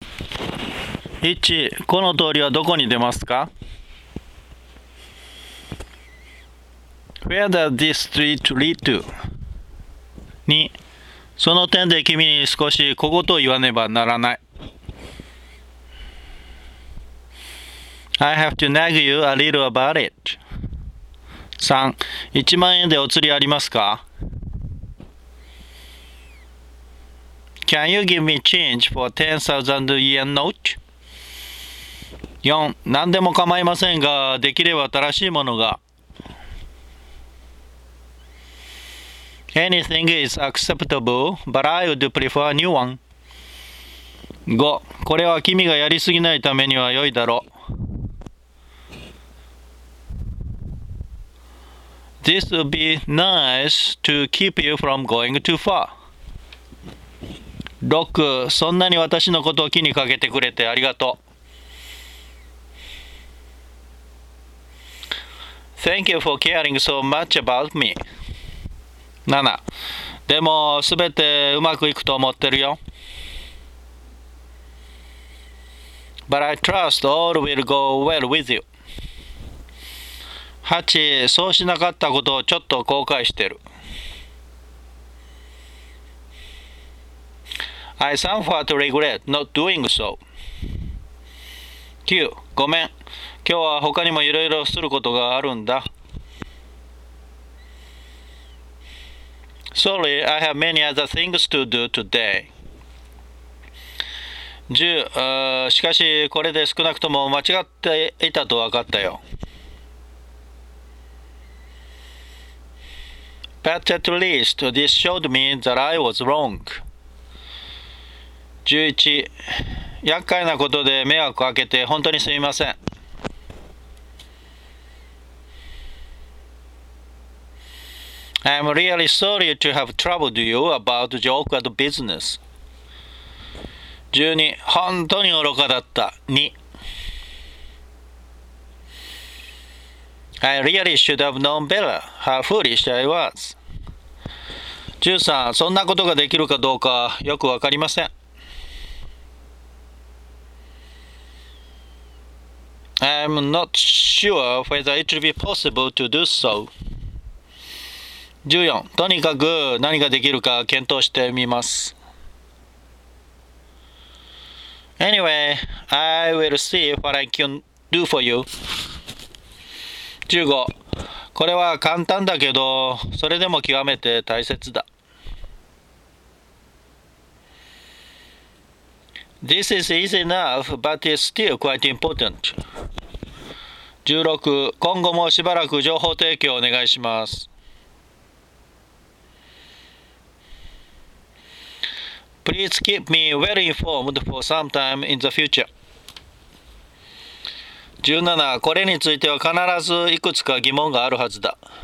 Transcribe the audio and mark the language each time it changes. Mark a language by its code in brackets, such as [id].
[ja] 1、この通りはどこに出ますか？ [en] Where does this street lead to? [ja] 2、その点で君に少し小言を言わねばならない。 [en] I have to nag you a little about it. [ja] 3、1万円でお釣りありますか？ [en] Can you give me change for a 10,000 yen note? 4. [ja] 何でも構いませんが、できれば新しいものが。 [en] Anything is acceptable, but I would prefer a new one. 5. [ja] これは君がやりすぎないためには良いだろう。 [en] This would be nice to keep you from going too far. 6. [ja] そんなに私のことを気にかけてくれてありがとう。 [en] Thank you for caring so much about me. 7. [ja] でも全てうまくいくと思ってるよ。 [en] But I trust all will go well with you. 8. [ja] そうしなかったことをちょっと後悔してる。 [en] I somewhat regret not doing so. 9. [ja] ごめん。今日は他にもいろいろすることがあるんだ。 [en] Sorry, I have many other things to do today. 10. [ja] しかしこれで少なくとも間違っていたと分かったよ。 [en] But at least this showed me that I was wrong. 11. [ja] 厄介なことで迷惑をかけて本当にすみません。 [en] I'm really sorry to have troubled you about your awkward business. [ja] 12. 本当に愚かだった。2. [en] I really should have known better how foolish I was. 13. [ja] そんなことができるかどうかよくわかりません。 [en] I'm not sure whether it will be possible to do so. 14. [ja] とにかく何ができるか検討してみます。 [en] Anyway, I will see what I can do for you. 15. [ja] これは簡単だけど、それでも極めて大切だ。 [en] This is easy enough, but it's still quite important. 16. [ja] 今後もしばらく情報提供をお願いします。 [en] Please keep me well informed for some time in the future. 17. [ja] これについては必ずいくつか疑問があるはずだ。